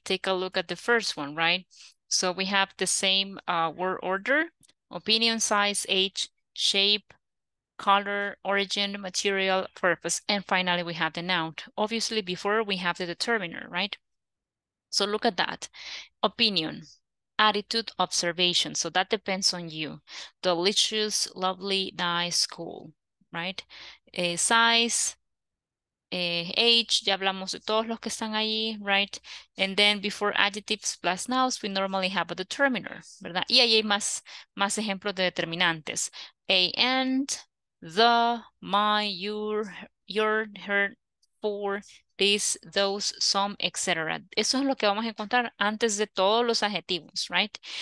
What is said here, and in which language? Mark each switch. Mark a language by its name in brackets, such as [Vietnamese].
[English] Take a look at the first one, right? So we have the same word order, opinion, size, age, shape, color, origin, material, purpose, and finally we have the noun. Obviously, before we have the determiner, right? So look at that. Opinion, attitude, observation. So that depends on you. Delicious, lovely, nice, cool. right? Size, age, [Spanish] ya hablamos de todos los que están ahí, [English] right? And then before adjectives plus nouns, we normally have a determiner, [Spanish] ¿verdad? Y ahí hay más ejemplos de determinantes. [English] A, and, the, my, your, her, for, this, those, some, etc. [Spanish] Eso es lo que vamos a encontrar antes de todos los adjetivos, [English] right?